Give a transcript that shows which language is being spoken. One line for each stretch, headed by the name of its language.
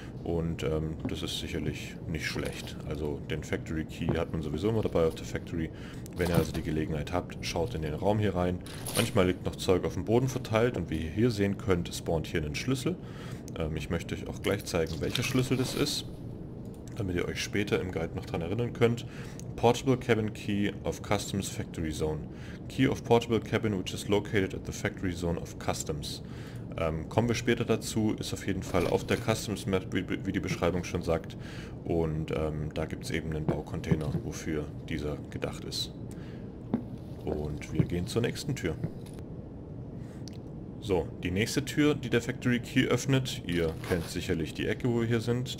German: Und das ist sicherlich nicht schlecht. Also den Factory Key hat man sowieso immer dabei auf der Factory. Wenn ihr also die Gelegenheit habt, schaut in den Raum hier rein. Manchmal liegt noch Zeug auf dem Boden verteilt und wie ihr hier sehen könnt, spawnt hier ein Schlüssel. Ich möchte euch auch gleich zeigen, welcher Schlüssel das ist, damit ihr euch später im Guide noch daran erinnern könnt.
English: Portable Cabin Key of Customs Factory Zone. Key of Portable Cabin, which is located at the Factory Zone of Customs.
German: Kommen wir später dazu, ist auf jeden Fall auf der Customs Map, wie die Beschreibung schon sagt. Und da gibt es eben einen Baucontainer, wofür dieser gedacht ist. Und wir gehen zur nächsten Tür. So, die nächste Tür, die der Factory Key öffnet, ihr kennt sicherlich die Ecke, wo wir hier sind.